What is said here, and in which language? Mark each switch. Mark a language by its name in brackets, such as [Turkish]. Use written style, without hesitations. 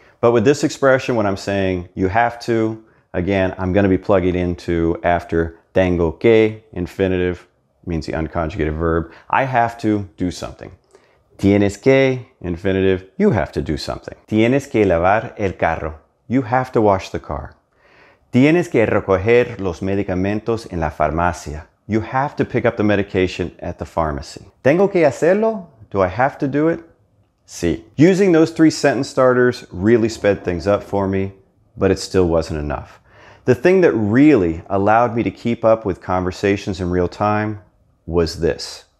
[English] But with this expression, when I'm saying you have to, again, I'm going to be plugging into after [Spanish] tengo que, [English] infinitive, means the unconjugated verb. I have to do something. [Spanish] Tienes que, [English] infinitive, you have to do something. [Spanish] Tienes que lavar el carro. [English] You have to wash the car. [Spanish] Tienes que recoger los medicamentos en la farmacia. [English] You have to pick up the medication at the pharmacy. [Spanish] Tengo que hacerlo? [English] Do I have to do it? [Spanish] Sí. [English] Using those three sentence starters really sped things up for me, but it still wasn't enough. The thing that really allowed me to keep up with conversations in real time was this.